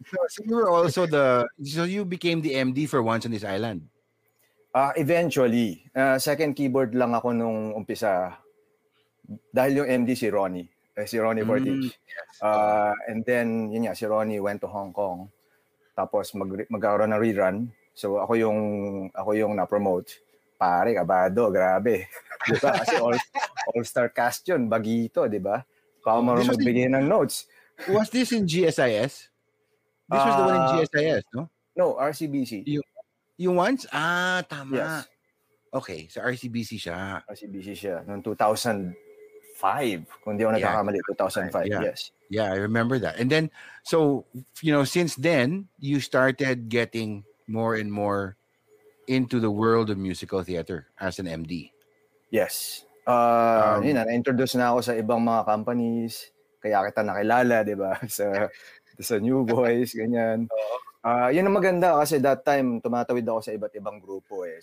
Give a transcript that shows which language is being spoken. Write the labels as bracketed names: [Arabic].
[English] So you were also you became the MD for Once on This Island? [Filipino] Eventually. Second keyboard lang ako nung umpisa. Dahil yung MD si Ronnie. Si Ronnie Portage. [English] And then, [Filipino] yun nga, si [English] Ronnie went to Hong Kong. [Filipino] Tapos magkaroon ng rerun. So ako yung na-promote. Pare, kabado, grabe. Diba? Kasi all-star cast yun. Bagito, di ba? Paano mo magbigay ng notes. [English] Was this in GSIS? This was the one in GSIS, no? No, RCBC. [Filipino] Yung once? Ah, tama. Yes. Okay, so RCBC siya. RCBC siya. Noong 2005. Kung di ako nagkakamali, 2005, [English] yeah. Yes. Yeah, I remember that. And then, so, you know, since then, you started getting more and more into the world of musical theater as an MD. Yes. [Filipino] Yun na, na-introduce na ako sa ibang mga companies. Kaya kita nakilala, di ba? Sa New Boys, ganyan. Yun ang maganda kasi [English] that time, [Filipino] tumatawid ako sa iba't ibang grupo eh.